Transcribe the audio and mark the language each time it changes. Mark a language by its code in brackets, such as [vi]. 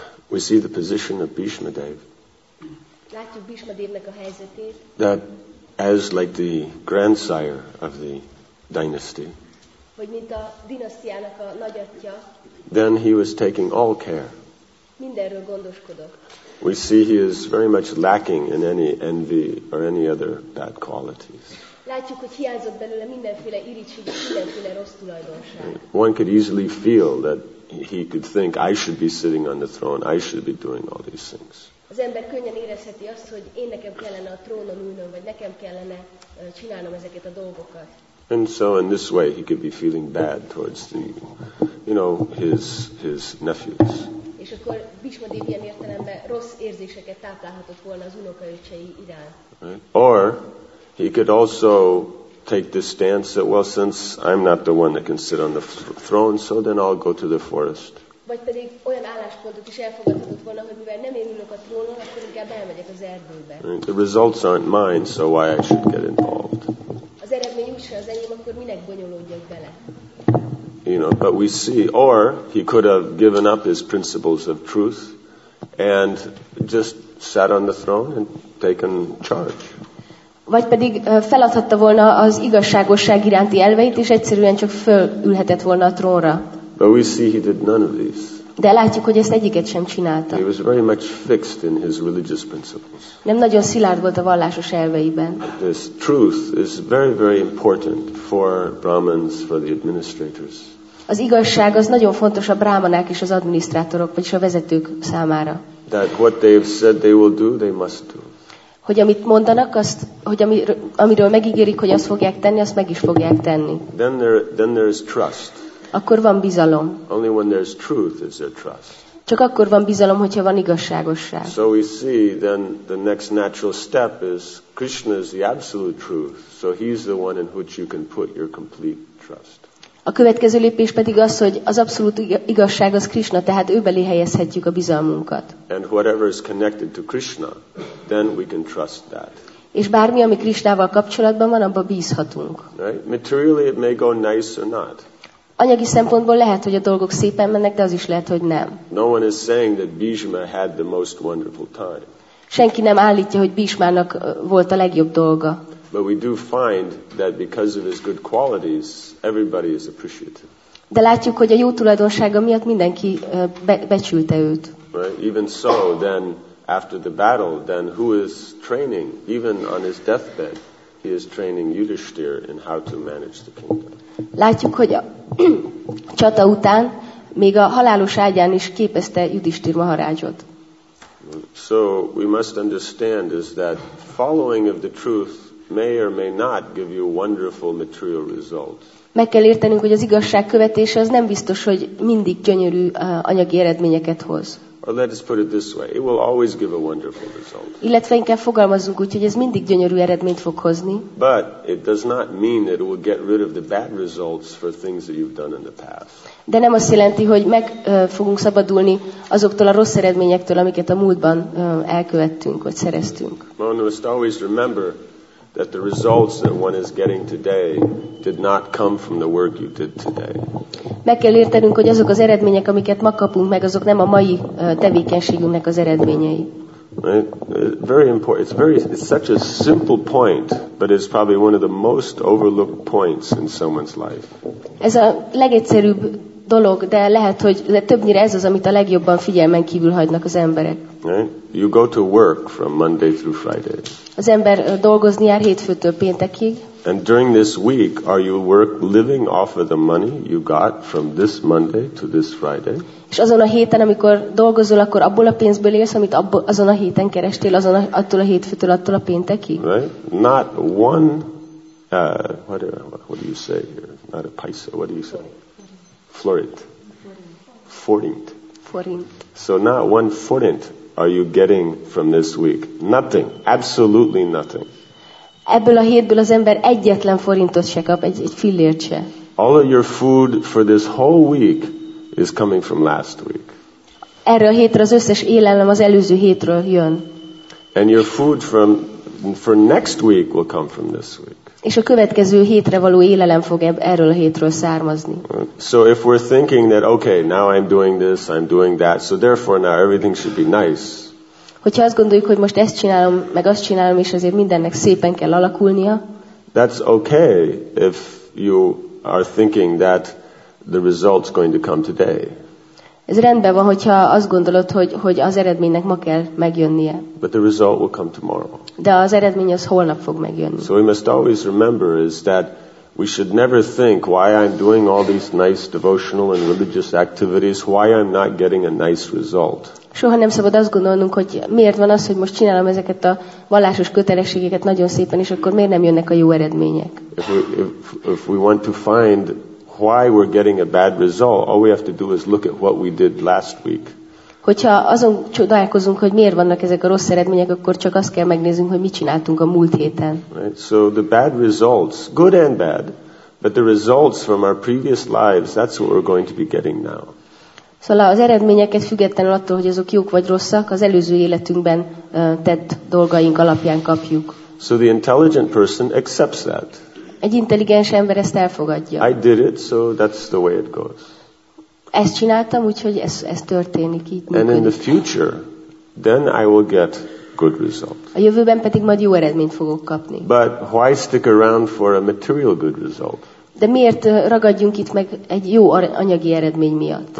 [en] We see the position of Bhishma Dev. [hu] Látjuk Bhishma Devnek a helyzetét. [en] That as like the grandsire of the dynasty. [hu] Vagy mint a dinasztiának a nagyatja. [en] Then he was taking all care. [hu] Mindenről gondoskodott. [en] We see he is very much lacking in any envy or any other bad qualities. [hu] Látjuk, hogy hiányzott belőle mindenféle irigység, mindenféle rossz tulajdonság. [en] One could easily feel that he could think, I should be sitting on the throne, I should be doing all these things. [hu] Az ember könnyen érezheti azt, hogy én nekem kellene a trónon ülnöm, vagy nekem kellene csinálnom ezeket a dolgokat. [en] And so in this way he could be feeling bad towards the, you know, his nephews. [hu] És akkor Bhishma Dev ilyen értelemben rossz érzéseket táplálhatott volna az unokaöcsei irán. [en] Or he could also take this stance that, well, since I'm not the one that can sit on the throne, so then I'll go to the forest. [hu] Vagy pedig olyan álláspontot is elfogadhatott volna, hogy mivel nem én ülök a trónon, akkor inkább elmegyek az erdőbe. [en] Right. The results aren't mine, so why I should get involved? [hu] Az eredmény úgyse az enyém, akkor minek bonyolódjak bele? [en] You know, but we see, or he could have given up his principles of truth and just sat on the throne and taken charge. [hu] Vagy pedig feladhatta volna az igazságosság iránti elveit, és egyszerűen csak fölülhetett volna a trónra. [en] But we see he did none of these. [hu] De látjuk, hogy ezt egyiket sem csinálta. [en] He was very much fixed in his religious principles. [hu] Nem nagyon szilárd volt a vallásos elveiben. [en] This truth is very, very important for Brahmins, for the administrators. [hu] Az igazság az nagyon fontos a brámanák és az adminisztrátorok, vagyis a vezetők számára. [en] That what they have said they will do, they must do. [hu] Hogy amit mondanak, azt, hogy amiről megígérik, hogy azt fogják tenni, azt meg is fogják tenni. [en] Then there is trust. [hu] Akkor van bizalom. [en] Only when there is truth is there trust. [hu] Csak akkor van bizalom, hogyha van igazságosság. [en] So we see then the next natural step is Krishna is the absolute truth. So he's the one in which you can put your complete trust. [hu] A következő lépés pedig az, hogy az abszolút igazság az Krishna, tehát ő belé helyezhetjük a bizalmunkat. [en] And whatever is connected to Krishna, then we can trust that. [hu] És bármi, ami Krishnával kapcsolatban van, abba bízhatunk. [en] Right? Materially it may go nice or not. [hu] Anyagi szempontból lehet, hogy a dolgok szépen mennek, de az is lehet, hogy nem. [en] No one is saying that Bhishma had the most wonderful time. [hu] Senki nem állítja, hogy Bhishmának volt a legjobb dolga. [en] But we do find that because of his good qualities, everybody is appreciative. [hu] De látjuk, hogy a jó tulajdonsága miatt mindenki becsülte őt. [en] Right? Even so, then after the battle, then who is training? Even on his deathbed, he is training Yudhishthira in how to manage the kingdom. [hu] Látjuk, hogy a csata után még a halálos ágyán is képezte Yudhishthira Maharajot. [en] So we must understand is that following of the truth may or may not give you wonderful material results. [hu] Meg kell értenünk, hogy az igazság követése az nem biztos, hogy mindig gyönyörű anyagi eredményeket hoz. [en] Or let us put it this way, it will always give a wonderful result. [hu] Illetve inkább fogalmazzunk úgy, hogy ez mindig gyönyörű eredményt fog hozni. [en] But it does not mean that it will get rid of the bad results for things that you've done in the past. [hu] De nem azt jelenti, hogy meg fogunk szabadulni azoktól a rossz eredményektől, amiket a múltban elkövettünk, vagy szereztünk. [en] One must always remember that the results that one is getting today did not come from the work you did today. [hu] Meg kell értenünk, hogy azok az eredmények, amiket ma kapunk meg, azok nem a mai tevékenységünknek az eredményei. [en] Very important. It's such a simple point, but it's probably one of the most overlooked points in someone's life. [hu] Ez a legegyszerűbb dolog, de lehet, hogy többnyire ez az, amit a legjobban figyelmen kívül hagynak az emberek. [en] Right? You go to work from Monday through Friday. Az ember dolgozni jár hétfőtől péntekig. And during this week, are you living off of the money you got from this Monday to this Friday? [hu] És azon a héten, amikor dolgozol, akkor abból a pénzből élsz, amit azon a héten kerestél, azon attól a hétfőtől attól a péntekig? [en] Right? Not one. What do you say here? Not a paisa. What do you say? Forint. Forint. [hu] Forint. [en] So not one forint are you getting from this week. Nothing. Absolutely nothing. [hu] Ebből a hétből az ember egyetlen forintot se kap, egy fillért se. [en] All of your food for this whole week is coming from last week. [hu] Erre a hétre az összes élelem az előző hétről jön. [en] And your food for next week will come from this week. [hu] És a következő hétre való élelem fog erről a hétről származni. [en] So if we're thinking that okay, now I'm doing this, I'm doing that, so therefore now everything should be nice. [hu] Hogyha azt gondoljuk, hogy most ezt csinálom, meg azt csinálom, és azért mindennek szépen kell alakulnia. [en] That's okay if you are thinking that the result's going to come today. [hu] Ez rendben van, hogyha azt gondolod, hogy az eredménynek ma kell megjönnie. [en] But the result will come tomorrow. [hu] De az eredmény az holnap fog megjönni. [en] So we must always remember is that we should never think why I'm doing all these nice devotional and religious activities, why I'm not getting a nice result. [hu] Soha nem szabad azt gondolnunk, hogy miért van az, hogy most csinálom ezeket a vallásos kötelességeket nagyon szépen, és akkor miért nem jönnek a jó eredmények. [en] If we want to find why we're getting a bad result, all we have to do is look at what we did last week. [hu] Hogyha azon csodálkozunk, hogy miért vannak ezek a rossz eredmények, akkor csak azt kell megnézünk, hogy mit csináltunk a múlt héten. [en] Right? So the bad results, good and bad, but the results from our previous lives, that's what we're going to be getting now. [hu] Szóval az eredményeket függetlenül attól, hogy azok jók vagy rosszak, az előző életünkben tett dolgaink alapján kapjuk. [en] So the intelligent person accepts that. [hu] Egy intelligens ember ezt elfogadja. [en] I did it, so that's the way it goes. [hu] Ezt csináltam, úgyhogy ez történik így. [en] And in the future, then I will get good result. [hu] A jövőben pedig majd jó eredményt fogok kapni. [en] But why stick around for a material good result? [hu] De miért ragadjunk itt meg egy jó anyagi eredmény miatt?